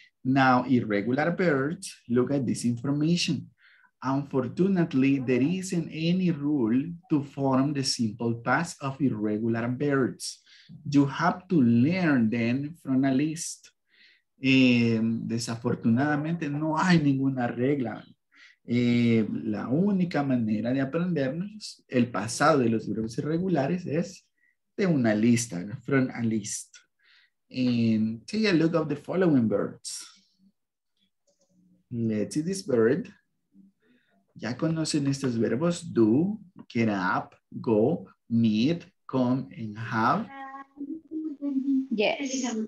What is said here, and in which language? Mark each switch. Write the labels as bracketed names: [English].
[English] Now, irregular verbs, look at this information. Unfortunately, there isn't any rule to form the simple past of irregular verbs. You have to learn them from a list. [Spanish] Desafortunadamente, no hay ninguna regla. La única manera de aprendernos el pasado de los verbos irregulares es de una lista, [English] from a list. And take a look at the following verbs. Let's see this bird. [Spanish] ¿Ya conocen estos verbos? [English] Do, get up, go, meet, come, and have. Yes.